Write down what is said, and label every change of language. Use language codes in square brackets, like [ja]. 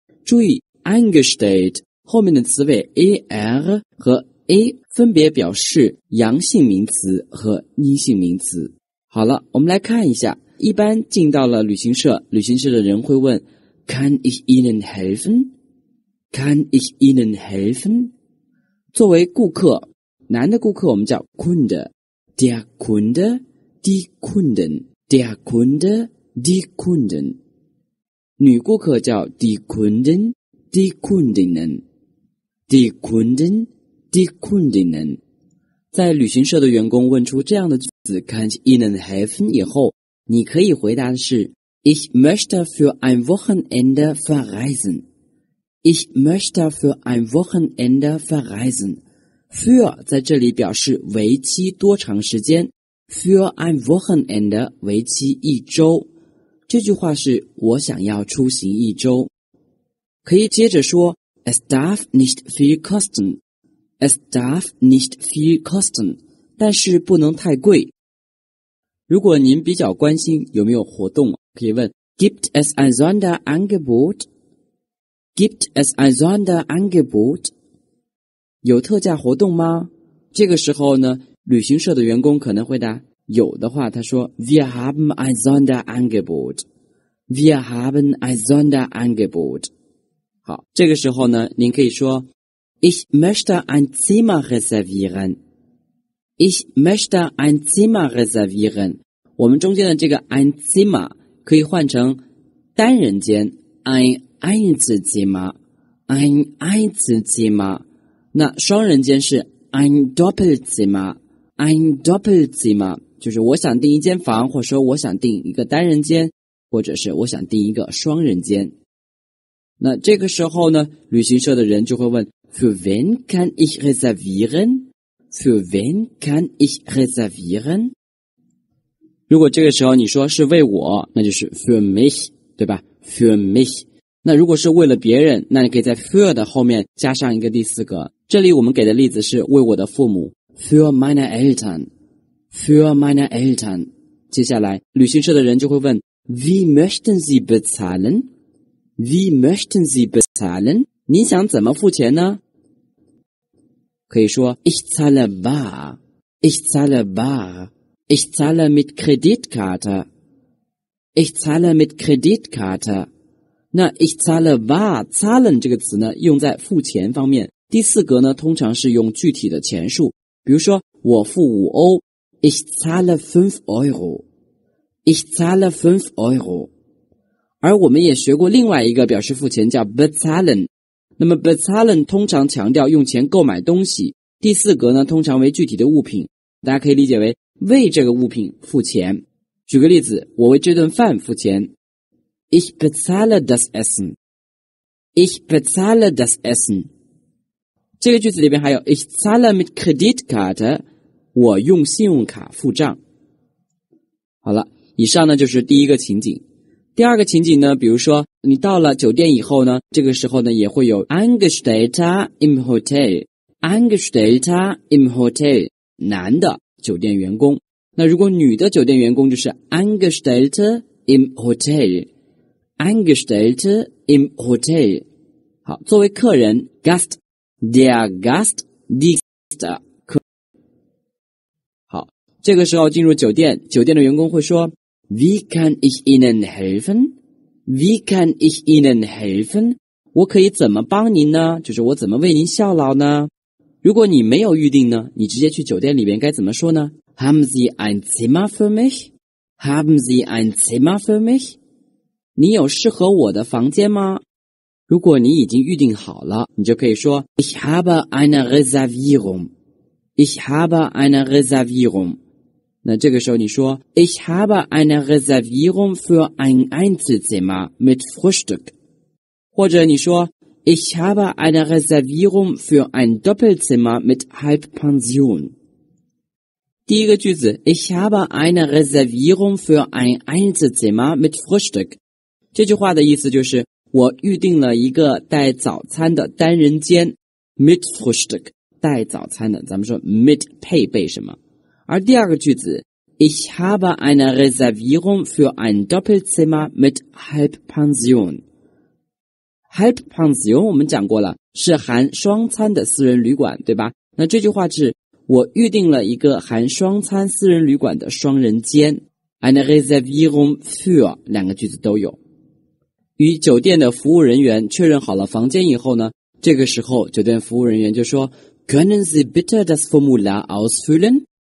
[zh] 注意 Angestellt 后面的词尾 AR 和 A 分别表示阳性名词和阴性名词。好了，我们来看一下，一般进到了旅行社，旅行社的人会问 [de] Kann ich Ihnen helfen? Kann ich Ihnen helfen? [zh] 作为顾客，男的顾客我们叫 Kunde， der Kunde， die Kunden， der Kunde， die Kunden， 女顾客叫 die Kunden， die Kundinnen， die Kunden， die Kundinnen。在旅行社的员工问出这样的句子 [de] Kann ich Ihnen helfen [zh] 以后，你可以回答的是 [de] Ich möchte für ein Wochenende verreisen。 Ich möchte für ein Wochenende verreisen。 [zh] Für 在这里表示为期多长时间， Für ein Wochenende 为期一周。这句话是我想要出行一周。可以接着说 [de] Es darf nicht viel kosten。 Es darf nicht viel kosten。 [zh] 但是不能太贵。如果您比较关心有没有活动，可以问 [de] Gibt es ein Sonderangebot? Gibt es ein Sonderangebot? [zh] 有特价活动吗？这个时候呢，旅行社的员工可能回答有的话，他说 [de] Wir haben ein Sonderangebot。 Wir haben ein Sonderangebot。 [zh] 好，这个时候呢，您可以说 [de] Ich möchte ein Zimmer reservieren。 Ich möchte ein Zimmer reservieren。 [zh] 我们中间的这个 ein Zimmer 可以换成单人间 ein Einzelzimmer。 ein Einzelzimmer。那双人间是 ein Doppelzimmer, ein Doppelzimmer, 就是我想订一间房，或者说我想订一个单人间，或者是我想订一个双人间。那这个时候呢，旅行社的人就会问 [de] Für wen kann ich reservieren? Für wen kann ich reservieren? [zh] 如果这个时候你说是为我，那就是 [de] Für mich, [zh] 对吧 ?Für mich。那如果是为了别人，那你可以在 für 的后面加上一个第四个。这里我们给的例子是为我的父母 ， [de] für meine Eltern， für meine Eltern。 [zh] 接下来，旅行社的人就会问 ， [de] Wie möchten Sie bezahlen？ Wie möchten Sie bezahlen？ [zh] 你想怎么付钱呢？可以说 [de] ，Ich zahle bar， ich zahle bar， ich zahle mit Kreditkarte， ich zahle mit Kreditkarte。 [zh] 那 ich zahle bar， zahlen 这个词呢，用在付钱方面。第四格呢，通常是用具体的钱数，比如说我付五欧 ， [de] ich zahle fünf Euro， [zh] ich zahle fünf Euro。而我们也学过另外一个表示付钱叫 bezahlen， 那么 bezahlen 通常强调用钱购买东西，第四格呢通常为具体的物品，大家可以理解为为这个物品付钱。举个例子，我为这顿饭付钱 ， [de] ich bezahle das Essen， [zh] ich bezahle das Essen。这个句子里面还有 [de] Ich zahle mit Kreditkarte， [zh] 我用信用卡付账。好了，以上呢就是第一个情景。第二个情景呢，比如说你到了酒店以后呢，这个时候呢也会有 [de] Angestellter im Hotel， Angestellter im Hotel， [zh] 男的酒店员工。那如果女的酒店员工就是 [de] Angestellter im Hotel， Angestellter im Hotel。 [zh] 好，作为客人 GastDer Gast, die Gäste. 好，这个时候进入酒店，酒店的员工会说 [de] Wie kann ich Ihnen helfen? Wie kann ich Ihnen helfen? [zh] 我可以怎么帮您呢？就是我怎么为您效劳呢？如果你没有预定呢，你直接去酒店里面该怎么说呢？ [de] Haben Sie ein Zimmer für mich? Haben Sie ein Zimmer für mich? [zh] 你有适合我的房间吗？如果你已经预定好了，你就可以说 [de] Ich habe eine Reservierung. Ich habe eine Reservierung. [zh] 那这个时候你说 [de] Ich habe eine Reservierung für ein Einzelzimmer mit Frühstück. [zh] 或者你说 [de] Ich habe eine Reservierung für ein Doppelzimmer mit Halbpension. [zh] 第一个句子 [de] Ich habe eine Reservierung für ein Einzelzimmer mit Frühstück. [zh] 这句话的意思就是我预定了一个带早餐的单人间 mit Frühstück 带早餐的，咱们说 mit 配备什么。而第二个句子 [de] Ich habe eine Reservierung für ein Doppelzimmer mit Halbpension. [zh] Halbpension 我们讲过了，是含双餐的私人旅馆，对吧？那这句话是我预定了一个含双餐私人旅馆的双人间 eine Reservierung für 两个句子都有。与酒店的服务人员确认好了房间以后呢，这个时候酒店服务人员就说 [de] Können Sie bitte das Formular ausfüllen?